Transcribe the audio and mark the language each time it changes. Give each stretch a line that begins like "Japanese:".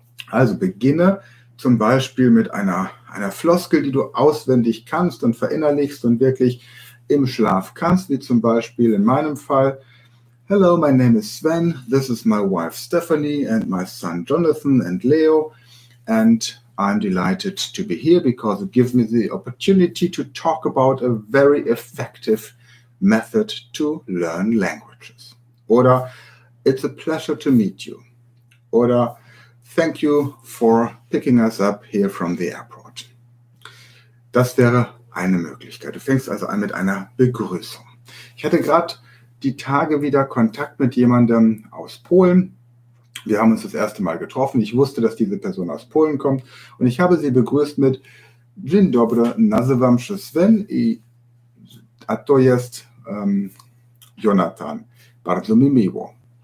German: Also beginne zum Beispiel mit einer Floskel, die du auswendig kannst und verinnerlichst und wirklich im Schlaf kannst, wie zum Beispiel in meinem Fall:
English: Hello, my name is Sven, this is my wife Stephanie and my son Jonathan and Leo and I'm delighted to be here because it gives me the opportunity to talk about a very effective method to learn languages.
German: Oder,
English: it's a pleasure to meet you. Oder, thank you for picking us up here from the airport.
German: Das wäre eine Möglichkeit. Du fängst also an mit einer Begrüßung. Ich hatte gerade die Tage wieder Kontakt mit jemandem aus Polen. Wir haben uns das erste Mal getroffen. Ich wusste, dass diese Person aus Polen kommt. Und ich habe sie begrüßt mit
Polish: Dzień dobry, nazywam się Sven i a to jest Jonathan. Bardzo mi miło.